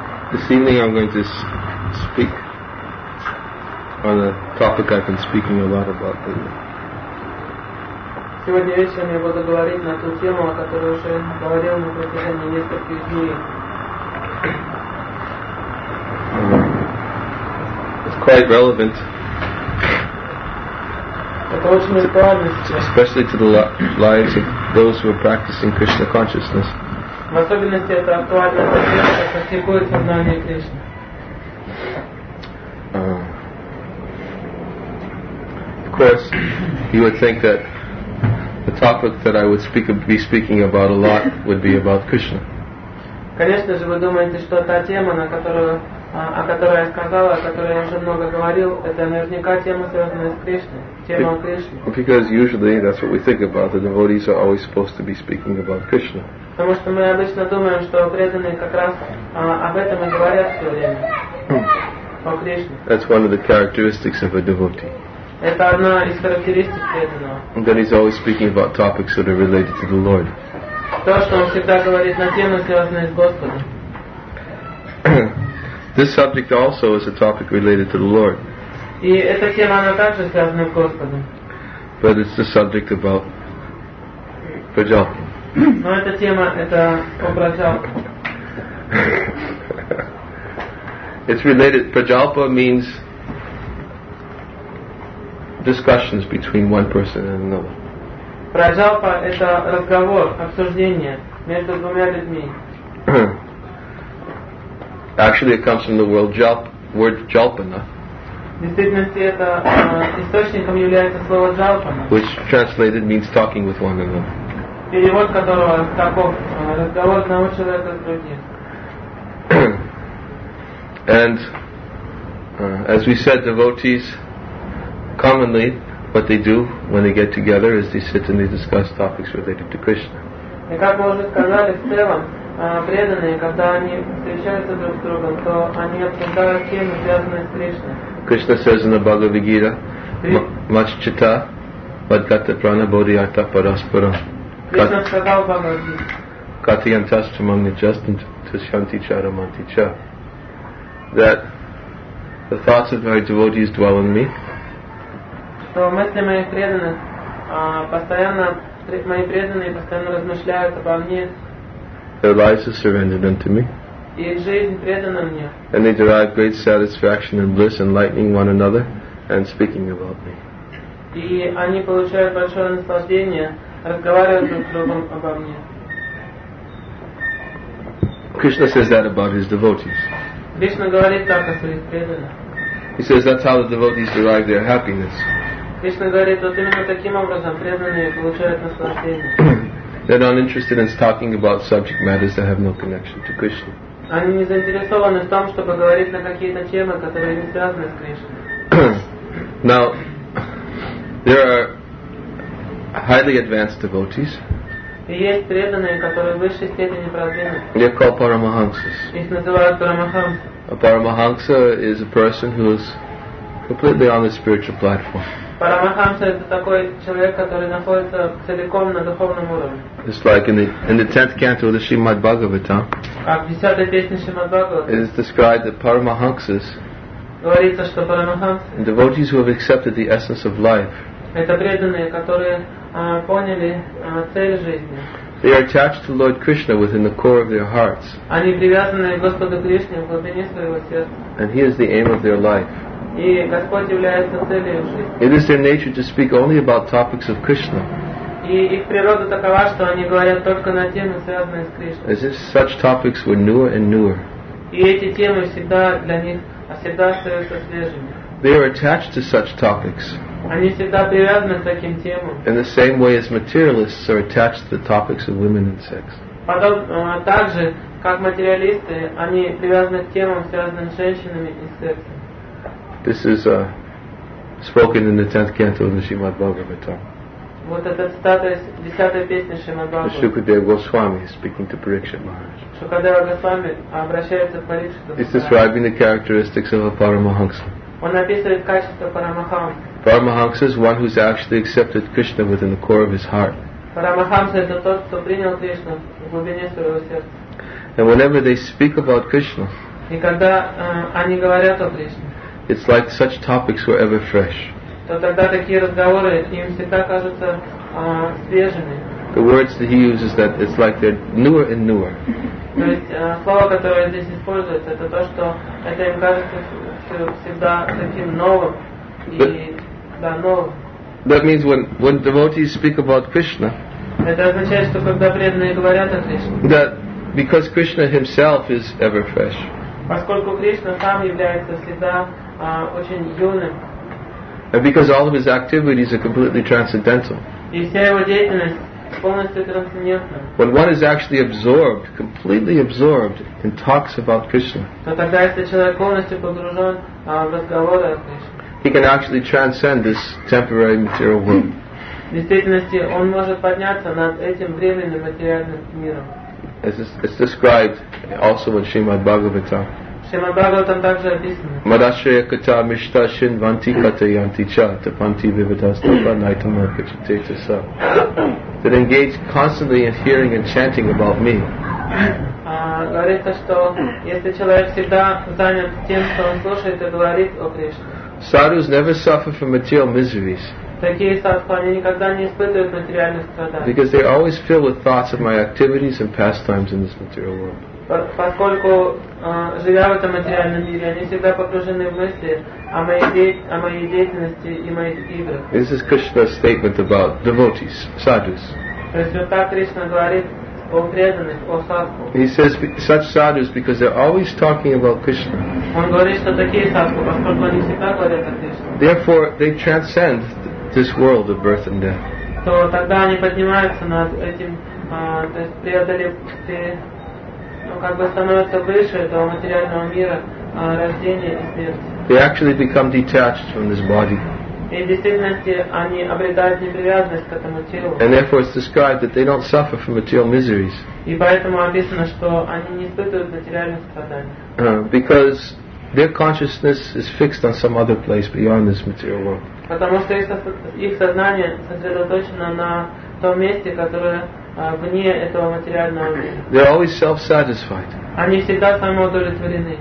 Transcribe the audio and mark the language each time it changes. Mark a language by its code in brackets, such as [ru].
[en] This evening I'm going to speak on a topic I've been speaking a lot about. [ru] Сегодня вечером я буду говорить на ту тему, о которой уже говорил на протяжении нескольких дней. [en] It's quite relevant. [ru] Это очень актуально сейчас. [en] Especially to the lives of those who are practicing Krishna consciousness. [ru] В особенности это актуально для тех, кто практикует сознание Кришны. [en] Of course, you would think that the topic that I would be speaking about a lot would be about Krishna. [ru] Конечно же, вы думаете, что та тема, на которую, о которой я сказала, о которой я уже много говорил, это наверняка тема, связанная с Кришной, тема о Кришне. [en] Because usually that's what we think about. The devotees are always supposed to be speaking about Krishna. [ru] Потому что мы обычно думаем, что преданные как раз об этом и говорят все время. О Кришне. [en] That's one of the characteristics of a devotee. [ru] Это одна из характеристик преданного. [en] Then he's always speaking about topics that are related to the Lord. [ru] То, что он всегда говорит на темы, связанные с Господом. [en] This subject also is a topic related to the Lord. [ru] И эта тема, она также связана с Господом. [en] But it's the subject about Vrajalpa. [ru] Но эта тема, это о Vrajalpa. [en] It's related. Vrajalpa means discussions between one person and another. [ru] Prajalpa – это разговор, обсуждение между двумя людьми. [en] Actually, it comes from the word jalpana. [ru] В действительности, это источником является слово jalpana. [en] Which translated means talking with one another. [ru] Перевод которого таков: разговор одного человека с другим. [en] And as we said, devotees, commonly, what they do when they get together is they sit and they discuss topics related to Krishna. [ru] И как мы уже сказали, в целом, преданные, когда они встречаются друг с другом, то они обсуждают темы, связанные с Кришной. [en] Krishna says in the Bhagavad Gita, [sa] Machchita, Vadgata Prana Bodhiyata Parasparam. [ru] Krishna сказал в Bhagavad Gita. [sa] Katiyantastamamnijastantushyanticharamanticha. [en] That the thoughts of my devotees dwell in me. [ru] Что мысли моих преданных постоянно, мои преданные постоянно размышляют обо мне. [en] Their lives are surrendered unto me. [ru] И жизнь предана мне. [en] And they derive great satisfaction and bliss enlightening one another and speaking about me. [ru] И они получают большое наслаждение, разговаривая друг с другом обо мне. [en] Krishna says that about his devotees. [ru] Кришна говорит так о своих преданных. [en] He says that's how the devotees derive their happiness. [ru] Кришна говорит, вот именно таким образом преданные получают наслаждение. [en] They're not interested in talking about subject matters that have no connection to Krishna. [ru] Они не заинтересованы в том, чтобы говорить на какие-то темы, которые не связаны с Кришной. [en] Now, there are highly advanced devotees. [ru] И есть преданные, которые в высшей степени продвинуты. [en] They're called Paramahansas. [ru] Их называют Paramahansa. [en] A Paramahansa is a person who is completely on the spiritual platform. [ru] Парамахамса – это такой человек, который находится целиком на духовном уровне. [en] It's like in the 10th canto of the Srimad Bhagavatam. [ru] Как в 10-й песне Шримад Бхагаватам. [en] It is described that Paramahansas. [ru] Говорится, что Парамахамса. [en] Devotees who have accepted the essence of life. [ru] Это преданные, которые поняли цель жизни. [en] They are attached to Lord Krishna within the core of their hearts. [ru] Они привязаны к Господу Кришне в глубине своего сердца. [en] And He is the aim of their life. [ru] И Господь является целью жизни. [en] It is their nature to speak only about topics of Krishna. [ru] И их природа такова, что они говорят только на темы, связанные с Кришной. [en] As if such topics were newer and newer. [ru] И эти темы всегда для них всегда остаются свежими. [en] They are attached to such topics. [ru] Они всегда привязаны к таким темам. [en] In the same way as materialists are attached to the topics of women and sex. [ru] Также, как материалисты, они привязаны к темам, связанным с женщинами и сексом. [en] This is spoken in the 10th canto of the Srimad Bhagavatam. [ru] Вот эта цитата из 10-й песни Шримад Бхагаватам. [en] Шукадева Госвами is speaking to Парикшит Махарадж. [ru] Шукадева Госвами обращается к Парикшит Махарадж. [en] It's describing the characteristics of a Paramahansa. [ru] Он описывает качество Парамахамса. [en] Paramahansa is one who's actually accepted Krishna within the core of his heart. [ru] Парамахамса – это тот, кто принял Кришну в глубине своего сердца. [en] And whenever they speak about Krishna, [ru] И когда они говорят о Кришне. [en] It's like such topics were ever fresh. [ru] То тогда такие разговоры им всегда кажутся свежими. [en] The words that he uses that it's like they're newer and newer. [ru] То есть слово, которое здесь используется, это то, что это им кажется всегда таким новым и да новым. [en] That means when devotees speak about Krishna. [ru] Это означает, что когда преданные говорят о Кришне. [en] That because Krishna himself is ever fresh. [ru] Поскольку Кришна сам является всегда очень юным. [en] And because all of his activities are completely transcendental. [ru] И вся его деятельность полностью трансцендентна. [en] When one is actually absorbed, completely absorbed in talks about Krishna. [ru] То тогда, если человек полностью погружен в разговоры о Кришне. [en] He can actually transcend this temporary material world. [ru] В действительности он может подняться над этим временным материальным миром. [en] It's described also in Srimad Bhagavatam. [ru] Srimad Bhagavatam также описано. [sa] Madashaya kata mishta shinvanti kata yanti cha tapanti vivadastapa naitama kachitetasa sa. [en] That engage constantly in hearing and chanting about me. [ru] Говорится, что если человек всегда занят тем, что он слушает и говорит о Кришне. [en] Sadhus never suffer from material miseries. [ru] Такие садху, они никогда не испытывают материальных страданий. [en] Because they are always filled with thoughts of my activities and pastimes in this material world. [ru] Поскольку живя в этом материальном мире, они всегда погружены в мысли о моей деятельности и моих играх. [en] This is Krishna's statement about devotees, sadhus. [ru] То есть вот так Кришна говорит о преданных, о садху. [en] He says such sadhus because they're always talking about Krishna. [ru] Он говорит, что такие садху, поскольку они всегда говорят о Кришне. [en] Therefore, they transcend this world of birth and death. [ru] То тогда они поднимаются над этим, то есть преодоле, ну как бы становятся выше этого материального мира рождения и смерти. [en] They actually become detached from this body. [ru] И в действительности они обретают неприязнь к этому телу. [en] And therefore, it's described that they don't suffer from material miseries. [ru] И поэтому описано, что они не испытывают материальных страданий. [en] Because their consciousness is fixed on some other place beyond this material world. [ru] Потому что их сознание сосредоточено на том месте, которое вне этого материального мира. [en] They're always self-satisfied. [ru] Они всегда самоудовлетворены.